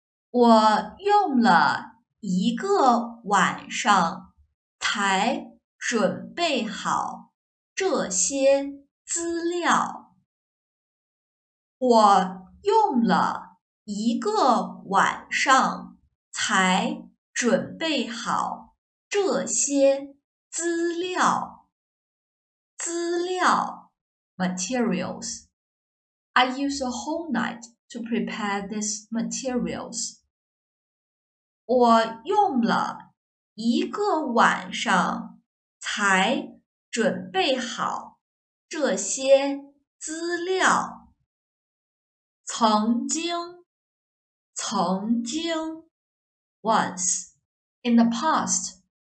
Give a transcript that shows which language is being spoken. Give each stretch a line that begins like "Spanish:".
Chinese: 我用了一个晚上才准备好这些资料。我用了一个晚上才准备好这些资料。资料
English: materials. I used a whole night to prepare these materials.
Chinese: 我用了一个晚上才准备好这些资料。
English: 曾经，曾经，once, in the past,